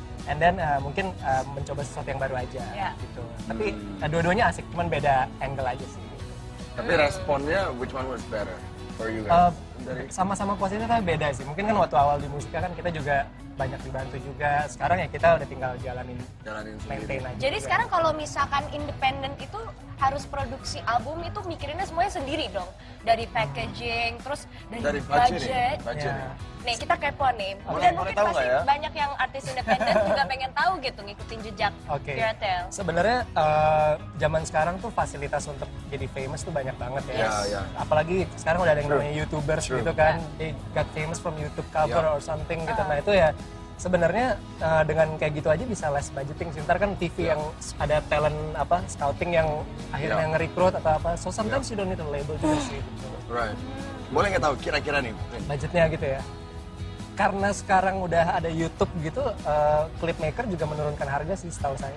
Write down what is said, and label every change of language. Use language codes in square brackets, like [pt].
[en] And then [id] mungkin mencoba sesuatu yang baru aja gitu. Tapi dua-duanya asik, cuman beda angle aja sih. Tapi responnya, [en] which one was better for you guys? [id] Sama-sama puasnya tapi beda sih. Mungkin kan waktu awal di Musika kan kita juga banyak dibantu juga. Sekarang ya kita udah tinggal jalanin maintain aja. Jadi sekarang kalau misalkan independen itu harus produksi album itu mikirinnya semuanya sendiri dong. Dari packaging, terus dari budget. Nih kita kepo nih. Dan mungkin pasti banyak yang artis independen juga pengen tahu gitu ngikutin jejak Fiera Tail. Sebenarnya zaman sekarang tuh fasilitas untuk jadi famous tuh banyak banget ya. [en] Yeah, yeah. [id] Apalagi sekarang udah ada yang namanya YouTubers gitu kan. [en] They got famous from YouTube cover or something gitu. [id] Nah itu ya sebenarnya dengan kayak gitu aja bisa [en] less budgeting. [id] Ntar kan TV yang ada talent apa scouting yang akhirnya nge-recruit atau apa. [en] So sometimes you don't need a label [id] juga sih. [en] Right. [id] Boleh nggak tahu kira-kira nih budgetnya gitu ya? Karena sekarang udah ada YouTube gitu, clip maker juga menurunkan harga sih setahu saya.